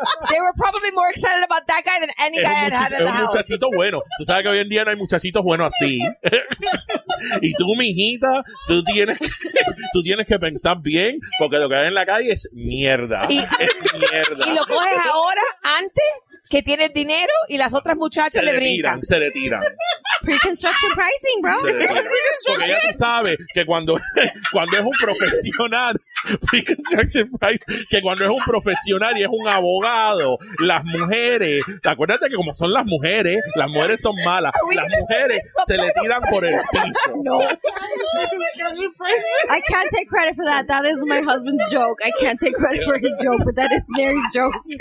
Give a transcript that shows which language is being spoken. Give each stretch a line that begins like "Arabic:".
English: They were probably more excited about that guy than any guy I'd had in the house.
Spanish: Muchachito bueno. Tú sabes que hoy en día no hay muchachitos buenos así. Y tú, mijita, tú tienes que pensar bien porque lo que hay en la calle es mierda. Y lo coges ahora, antes que tienes dinero y las otras muchachas se le brincan. Se le tiran.
English: Pre-construction pricing, bro.
Spanish: Porque ella sabe que cuando es un profesional y es un abogado, las mujeres, acuérdate que como son las mujeres son malas, las mujeres se le tiran por el piso.
English: No. I can't take credit for that. That is my husband's joke. I can't take credit for his joke, but that is Mary's joke.